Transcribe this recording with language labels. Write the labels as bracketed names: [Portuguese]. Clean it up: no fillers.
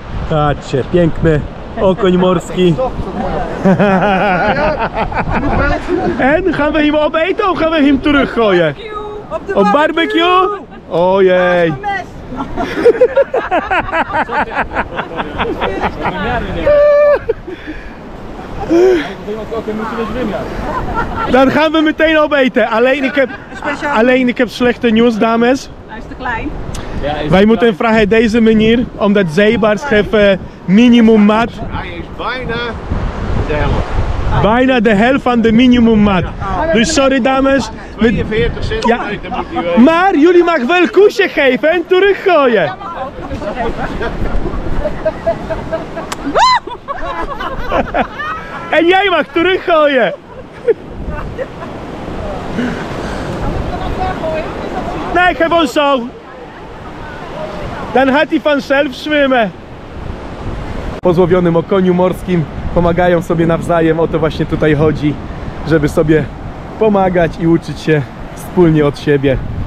[Polish] Patrzcie, piękny okoń morski. [Dutch] En gaan we hem opeten of gaan we hem teruggooien? Op barbecue. Op barbecue? Ojej. Dan gaan we meteen opeten. Alleen ik heb slechte nieuws, dames. Hij is te klein. Wij moeten hem vragen deze manier, omdat zeebaars geven minimummat. Hij is bijna de helft. Bijna de helft van de minimummat. Dus sorry, dames. 42 centimeter moet hij wel. Maar jullie mag wel koesje geven en teruggooien. Woo! En jij mag terug gooien. Nee, gewoon zo. Dan gaat hij vanzelf zwemmen. [Polish] Po złowionym okoniu morskim pomagają sobie nawzajem. O to właśnie tutaj chodzi, żeby sobie pomagać i uczyć się wspólnie od siebie.